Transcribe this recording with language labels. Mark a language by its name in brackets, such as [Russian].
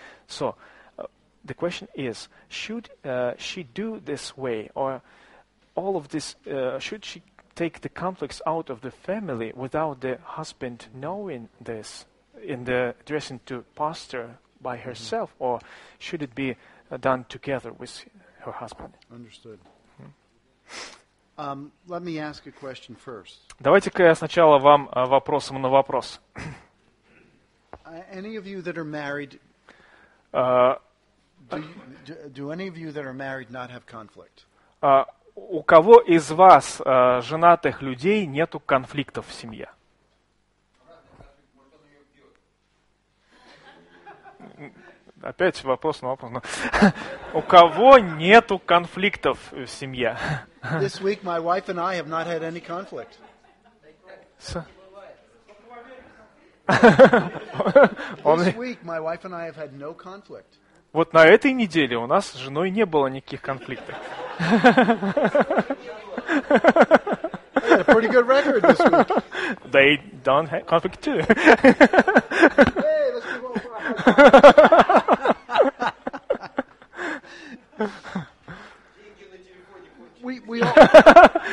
[English] So the question is, should she do this way, or all of this, should she take the conflicts out of the family without the husband knowing this, in the addressing to pastor by herself, or should it be done together with her husband? Understood. Let me ask a question first. [Russian] Давайте-ка я сначала вам вопросом на вопрос. [English] Any of you that are married... Do any of you that are married not have conflict? [Russian] У кого из вас женатых людей нету конфликтов в семье? Опять вопрос на вопрос. У кого нету конфликтов в семье? [English] This week my wife and I have not had any conflict. This week my wife and I have had no conflict. [Russian] Вот на этой неделе у нас с женой не было никаких конфликтов. [English] Pretty good record this week. They don't have conflict too. Hey, let's move on.